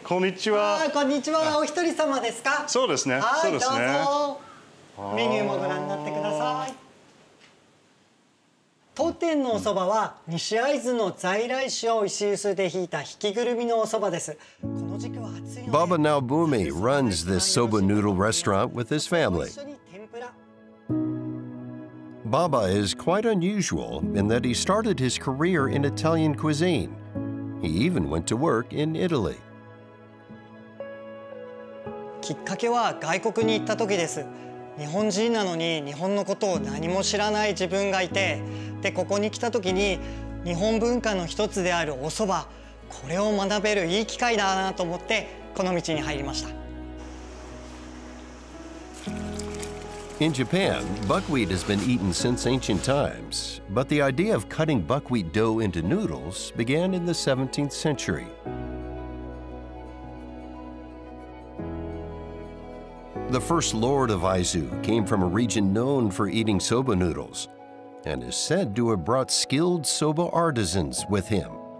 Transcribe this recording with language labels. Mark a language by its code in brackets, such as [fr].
[ja] こんにちは。こんにちは。お一人様ですか？そうですね。はい、そうですね。どうぞ。メニューもご覧になってください。当店のお蕎麦は、うん、西会津の在来種を石臼でひいた引きぐるみのお蕎麦です。この時期は暑いので [en] Baba Naobumi runs this soba noodle restaurant with his family. Baba is quite unusual in that he started his career in Italian cuisine. He even went to work in Italy. [ja] きっかけは外国に行った時です。日本人なのに日本のことを何も知らない自分がいて、でここに来た時に日本文化の一つであるお蕎麦、これを学べるいい機会だなと思ってこの道に入りました。 [en] In Japan, buckwheat has been eaten since ancient times, but the idea of cutting buckwheat dough into noodles began in the 17th century. The first lord of Aizu came from a region known for eating soba noodles and is said to have brought skilled soba artisans with him.